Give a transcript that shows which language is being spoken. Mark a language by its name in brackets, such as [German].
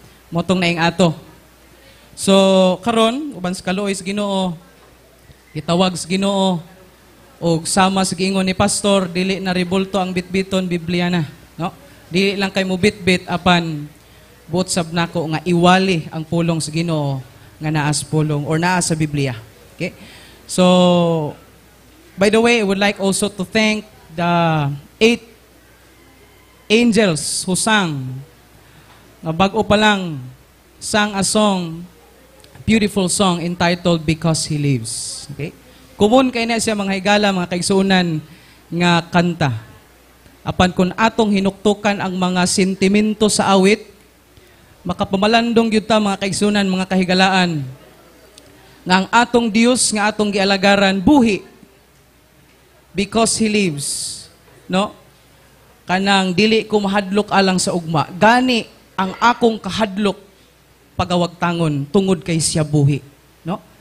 [Cebuano] Motong naing ato. So, karon uban sa kaluoy sa Ginoo, itawag sa Ginoo, o sama sa giingon ni Pastor, dili na ribulto ang bitbiton, Biblia na. Dili lang kay mo bitbit apan buot sab nako nga iwali ang pulong sa Ginoo nga naas pulong or naas sa Biblia. [English] Okay? So by the way, I would like also to thank the 8 angels who sang [Cebuano] nga bag-o pa lang [English] sang a song, beautiful song entitled Because He Lives. [Cebuano] Okay? Kumun kay na siya mga higala, mga kaigsuonan nga kanta. Apan kung atong hinuktukan ang mga sentimento sa awit, makapamalandong yun ta mga kaigsunan, mga kahigalaan, na ang atong Dios nga atong gialagaran, buhi, [English] because He lives, [Cebuano] no? Kanang dili ko mahadlok alang sa ugma, gani ang akong kahadlok pagawag tangon, tungod kay siya buhi, no?